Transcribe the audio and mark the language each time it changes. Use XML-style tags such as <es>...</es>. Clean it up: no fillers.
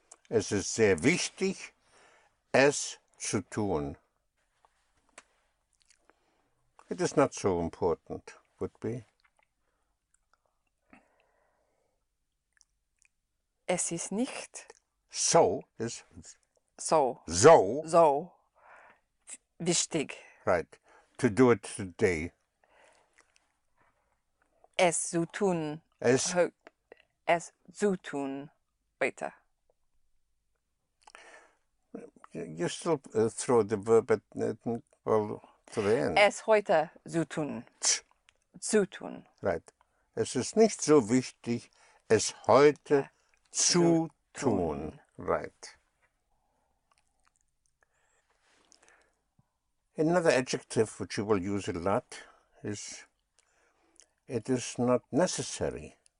<de>Es ist sehr wichtig, es zu tun.</de> <en>It is not so important, would be.</en> <de>Es ist nicht.</de> <en>So is.</en> <de>So. So. So. Wichtig.</de> <en>Right. To do it today.</en> <de>Es zu tun. Es. Es zu tun. Bitte.</de> <en>You still throw the verb at well, to the end.</en> <de>Es heute zu tun. Zu tun.</de> <en>Right.</en> <de>Es ist nicht so wichtig, es heute zu tun.</de> <en>Right. Another adjective which you will use a lot is it is not necessary.</en>